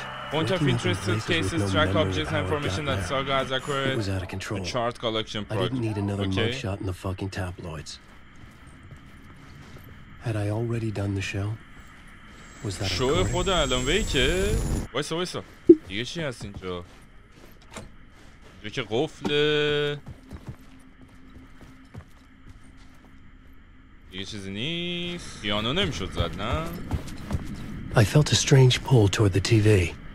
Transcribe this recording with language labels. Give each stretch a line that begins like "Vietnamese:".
English: Point of interest in cases track objects and information that Saga has acquired. It was out of control. The chart collection project. I didn't need another mugshot in the fucking tabloids. Had I already done the show? Was that
Persian: show خود الان ویکه؟ وایسا دیگه چی هست اینجا؟ اینجا که قفله دیگه چیزی نیست؟ پیانو نمیشد زد نه؟
English: I felt a strange pull toward the TV.